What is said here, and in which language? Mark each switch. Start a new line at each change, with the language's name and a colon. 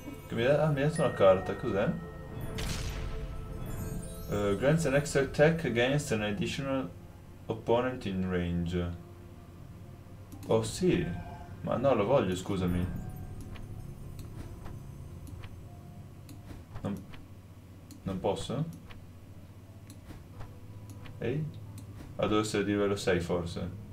Italian: Mi ha dato una carta, cos'è?
English: Grants an extra attack against an additional opponent in range.
Italian: Oh sì, ma no, lo voglio, scusami. Non posso? Ehi? Ma devo essere di livello 6 forse?